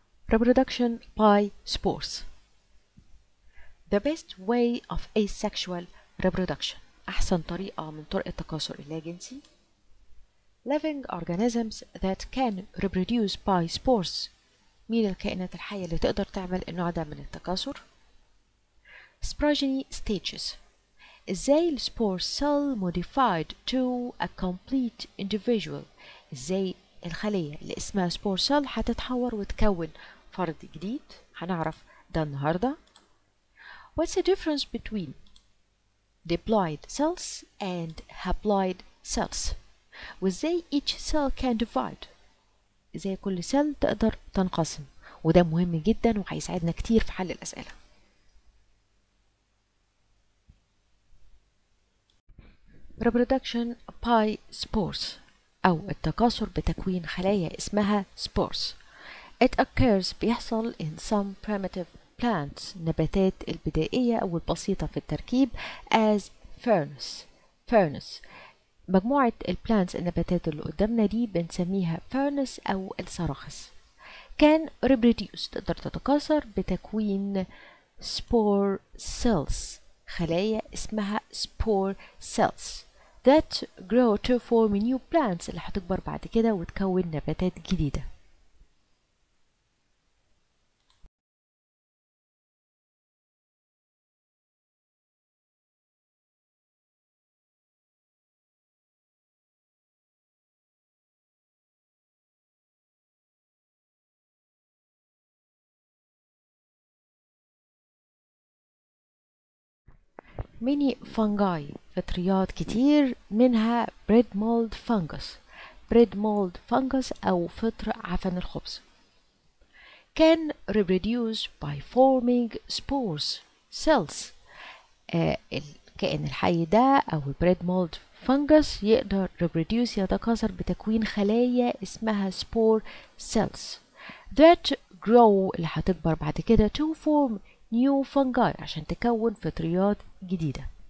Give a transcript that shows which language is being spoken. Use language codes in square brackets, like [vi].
[en] Reproduction by spores. The best way of asexual reproduction. [ar] أحسن طريقة من طرق التكاثر اللاجنسي. [en] Living organisms that can reproduce by spores. [ar] مين الكائنات الحية اللي تقدر تعمل النوع ده من التكاثر؟ [en] Sporogony stages. [ar] إزاي السبور [en] cell modified to a complete individual. [ar] إزاي الخلية اللي اسمها سبور cell هتتحور وتكون فرد جديد. هنعرف ده النهاردة. [en] What's the difference between diploid cells and haploid cells? [ar] وإزاي [en] each cell can divide. [ar] إزاي كل cell تقدر تنقسم. وده مهم جدا وهيساعدنا كتير في حل الأسئلة. [en] Reproduction by spores [ar] أو التكاثر بتكوين خلايا اسمها spores. [en] It occurs [ar] بيحصل [en] in some primitive plants [ar] نباتات البدائية أو البسيطة في التركيب [en] as ferns. [ar] Ferns مجموعة البلانتس النباتات اللي قدامنا دي بنسميها ferns أو الصراخس. [en] Can reproduce [ar] تقدر تتكاثر بتكوين [en] spore cells [ar] خلايا اسمها [en] spore cells that grow to form new plants [ar] اللي هتكبر بعد كده وتكون نباتات جديدة. [en] mini fungi [ar] فطريات كتير منها [en] Bread mold fungus. Bread mold fungus [ar] أو فطر عفن الخبز. [en] Can reproduce by forming spores cells. [ar] الكائن الحي ده أو [en] bread mold fungus [ar] يقدر [en] reproduce [ar] يتكاثر بتكوين خلايا اسمها [en] spore cells that grow [ar] اللي هتكبر بعد كده [en] to form new fungi [ar] عشان تكون فطريات جديدة.